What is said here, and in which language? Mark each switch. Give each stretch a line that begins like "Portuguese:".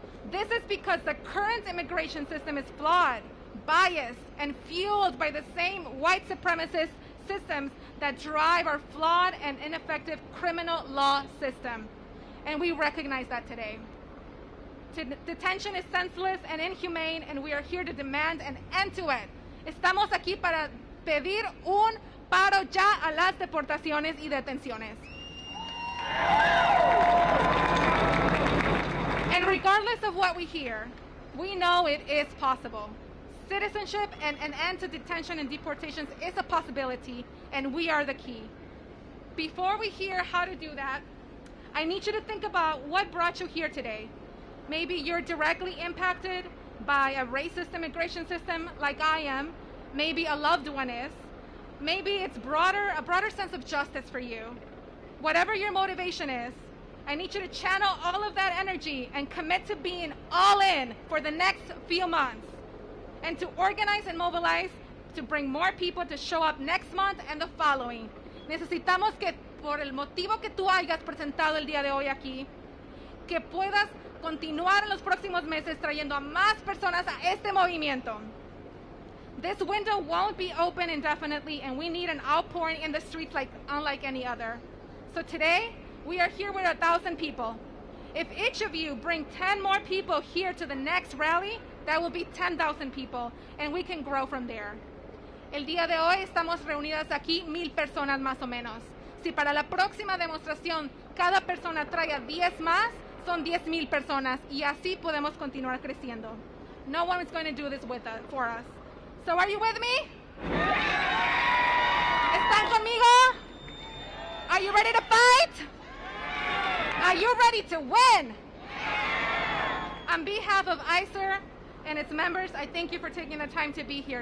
English: This is because the current immigration system is flawed, biased, and fueled by the same white supremacist systems that drive our flawed and ineffective criminal law system. And we recognize that today. Detention is senseless and inhumane, and we are here to demand an end to it.
Spanish: Estamos aquí para pedir un paro ya a las deportaciones y detenciones.
English: And regardless of what we hear, we know it is possible. Citizenship and an end to detention and deportations is a possibility, and we are the key. Before we hear how to do that, I need you to think about what brought you here today. Maybe you're directly impacted by a racist immigration system like I am. Maybe a loved one is. Maybe it's a broader sense of justice for you. Whatever your motivation is, I need you to channel all of that energy and commit to being all in for the next few months, and to organize and mobilize to bring more people to show up next month and the following.
Spanish: Necesitamos que por el motivo que tú hayas presentado el día de hoy aquí, que puedas continuar en los próximos meses trayendo a más personas a este movimiento.
English: This window won't be open indefinitely, and we need an outpouring in the streets like unlike any other. So today, we are here with 1,000 people. If each of you bring 10 more people here to the next rally, that will be 10,000 people, and we can grow from there.
Spanish: El día de hoy estamos reunidas aquí 1,000 personas más o menos. Si para la próxima demostración cada persona trae 10 más, son 10,000 personas, y así podemos continuar creciendo.
English: No one is going to do this for us. So are you with me?
Spanish: ¿Están conmigo?
English: Are you ready to fight? Are you ready to win? On behalf of ICER and its members, I thank you for taking the time to be here.